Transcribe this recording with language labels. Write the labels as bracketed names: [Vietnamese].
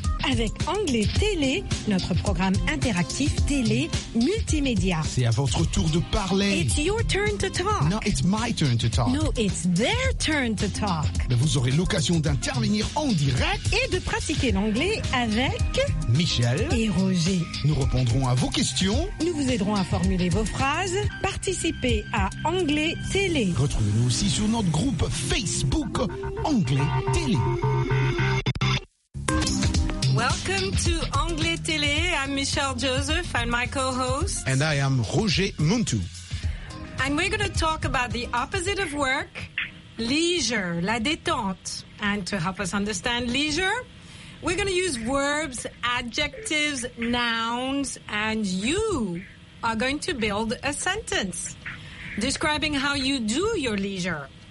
[French] Avec Anglais Télé, notre programme interactif télé multimédia. C'est à votre tour de parler. [English] It's your turn to talk. No, it's my turn to talk. No, it's their turn to talk. [French] Mais vous aurez l'occasion d'intervenir en direct. Et de pratiquer l'anglais avec... Michel. Et Roger. Nous répondrons à vos questions. Nous vous aiderons à formuler vos phrases. Participez à Anglais Télé. Retrouvez-nous aussi sur notre groupe Facebook Anglais Télé. [English] Welcome to Anglais Télé. I'm Michelle Joseph. I'm my co-host. And I am Roger Muntou. And we're going to talk about the opposite of work, leisure, [French] la détente. [English] And to help us understand leisure, we're going to use verbs, adjectives, nouns, and you are going to build a sentence describing how you do your leisure.